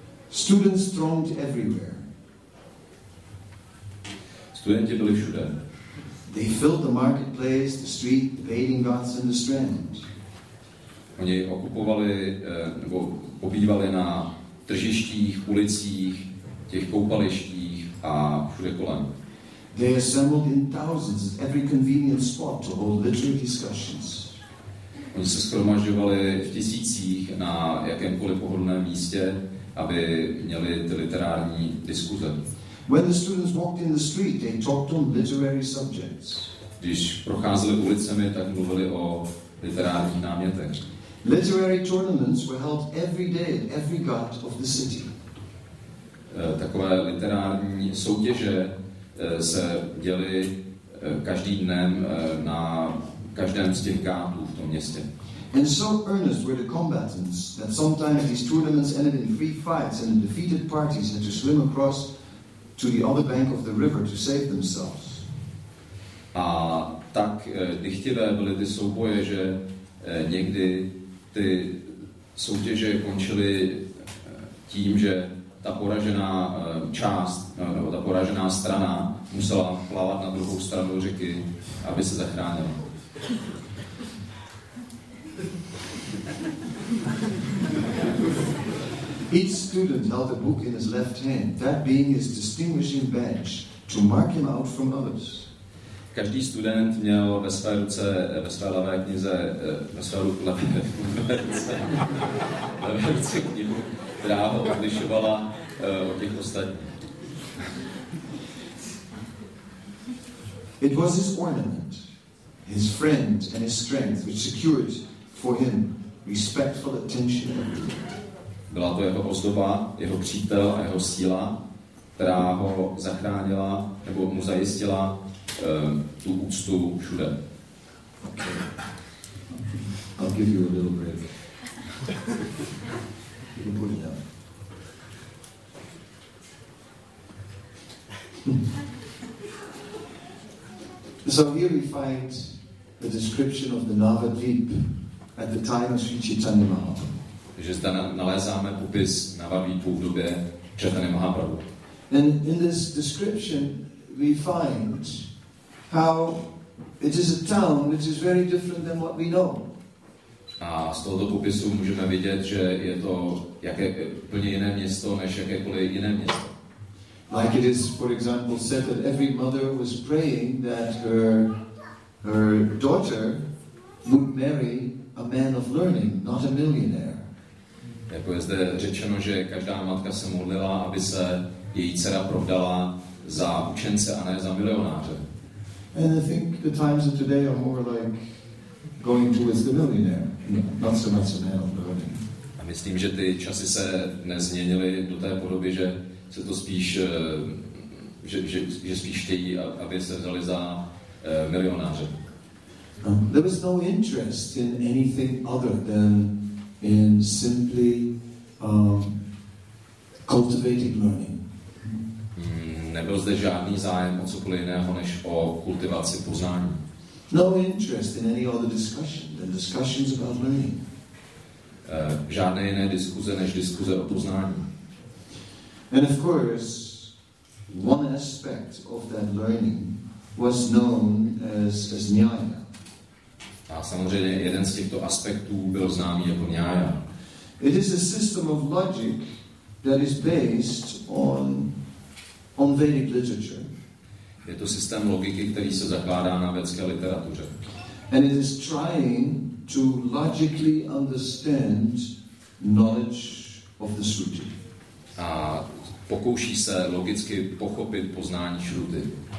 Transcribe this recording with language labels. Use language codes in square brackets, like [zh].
[en] Students thronged everywhere. [cs] Studenti byli všude. [en] They filled the marketplace, the street, the bathing ghats and the strand. [cs] Oni okupovali nebo pobývali na tržištích, ulicích, těch koupalištích a všude kolem. [en] They assembled in thousands at every convenient spot to hold literary discussions. [cs] Oni se shromažďovali v tisících na jakémkoliv pohodlném místě, aby měli ty literární diskuze. [en] When the students walked in the street, they talked on literary subjects. [cs] Když procházeli ulicemi, tak mluvili o literárních námětech. [en] Literary tournaments were held every day at every gut of the city. [cs] Takové literární soutěže se děly každý den na každém z těch gátů v tom městě. [en] And so earnest were the combatants that sometimes these tournaments ended in free fights and the defeated parties had to swim across to the other bank of the river to save themselves. [cs] A tak dychtivé byly ty souboje, že někdy ty soutěže končily tím, že ta poražená část, nebo ta poražená strana musela plavat na druhou stranu řeky, aby se zachránila. [en] Each student held a book in his left hand, that being his distinguishing badge, to mark him out from others. [cs] Každý student měl ve své ruce, ve své levé knize, ve své ruce, levé knihu, která ho odlišovala od těch ostatních. [en] It was his ornament, his friend and his strength, which secured for him respectful attention. [cs] Byla to jeho ozdoba, jeho přítel a jeho síla, která ho zachránila nebo mu zajistila tu úctu všude. [en] Okay. I'll give you a little break. You can put it down. So here we find the description of the Navadvip at the time of Sri Chaitanya Mahaprabhu. [cs] Že zde nalézáme popis Navadvipu v době Chaitanya Mahaprabhu. [en] And in this description we find how it is a town which is very different than what we know. [cs] A z tohoto popisu můžeme vidět, že je to jaké úplně jiné město než jakékoliv jiné město. [en] Like it is, for example, said that every mother was praying that her daughter would marry a man of learning, not a millionaire. [cs] Jako je zde řečeno, že každá matka se modlila, aby se její dcera provdala za učence a ne za milionáře. [en] And I think the times of today are more like going towards the millionaire, not so much a man of learning. [cs] A myslím, že ty časy se nezměnily do té podoby, že se to spíš, že spíš chtějí, aby se vzali za milionáře. [en] There was no interest in anything other than in simply cultivating learning. [cs] Nebyl zde žádný zájem o cokoliv jiného než o kultivaci poznání. [en] No interest in any other discussion than discussions about learning. [cs] Žádné jiné diskuze než diskuze o poznání. [en] And of course, one aspect of that learning was known as Nyaya. [cs] A samozřejmě jeden z těchto aspektů byl známý jako Nyaya. [en] It is a system of logic that is based on Vedic literature. [cs] Je to systém logiky, který se zakládá na vědecké literatuře. [en] And it is trying to logically understand knowledge of the Sruti. [cs] A pokouší se logicky pochopit poznání Shruti.